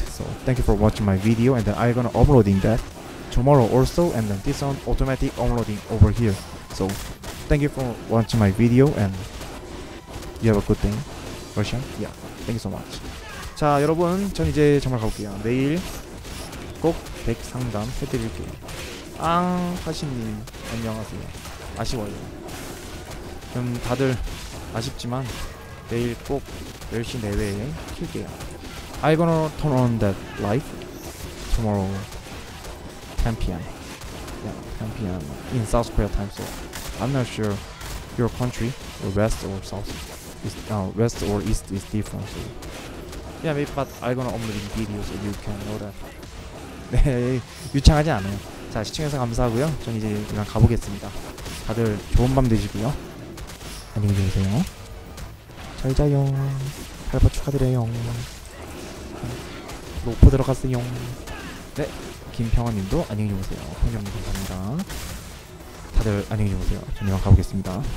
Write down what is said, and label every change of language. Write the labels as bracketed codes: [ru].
[en] So thank you for watching my video, and then I gonna uploading that tomorrow also, and then this one automatic uploading over here. So thank you for watching my video, and you have a good day, Russian. Yeah, thank you so much. [ko] 자 여러분, 전 이제 정말 가볼게요. 내일 꼭 백 상담 해드릴게요. 앙 하신님 안녕하세요. 아쉬워요. 그럼 다들 아쉽지만 내일 꼭 10시 내외에 킬게요. [en] I'm gonna turn on that light tomorrow 10 PM. Yeah, 10 PM in South Korea time. So I'm not sure your country, or west or south, is west or east is different. So yeah, maybe, but I'm gonna upload in video so you can know that. [ko] 네, 유창하지 않아요. 자, 시청해서 감사하고요. 전 이제 그냥 가보겠습니다. 다들 좋은 밤 되시고요. 안녕히 계세요. 잘 자요. 발표 축하드려요. 로프 들어갔어요. 네, 김평원님도 안녕히 주무세요. 형님 감사합니다. 다들 안녕히 주무세요. 저는 이만 가보겠습니다.